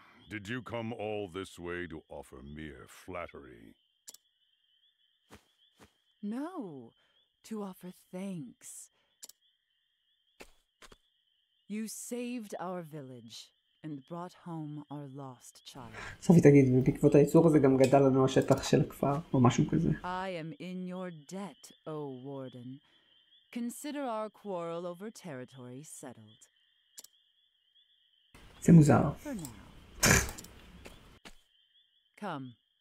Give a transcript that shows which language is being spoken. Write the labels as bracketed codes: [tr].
[en] Did you come all this way to offer mere flattery? No, to offer thanks. You saved our village. And brought home our lost child. [he] סופי תגיד, בעקבות הייצור הזה גם גדל לנו השטח של הכפר, או משהו כזה. [en] I am in your debt, O Warden. Consider our quarrel over territory settled. [he] זה מוזר. [en] Come.